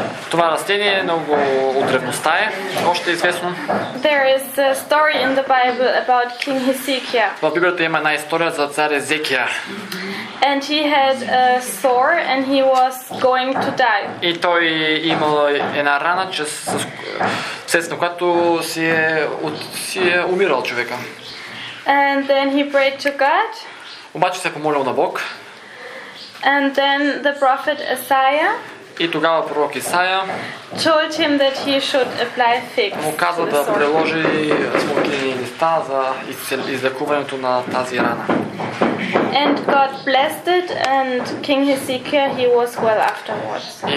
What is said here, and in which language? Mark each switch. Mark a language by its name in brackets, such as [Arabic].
[Bulgarian] Това растение много от древността е, още известно. [English] There is a story in the Bible about King Hezekiah. [Bulgarian] В Библията има една история за цар Езекия. [English] And he had a sore and he was going to die. [Bulgarian] И той имал една рана, вследствие на която си е умирал човека. [English] And then he prayed to God. [Bulgarian] Обаче се помолил на Бог. [English] And then the prophet Isaiah. [Bulgarian] И тогава пророк Исаия [English] told him that he should apply figs. [Bulgarian] Му каза да приложи смокини листа за излекуването на тази рана. [English] And God blessed it and King Hezekiah he was well afterwards.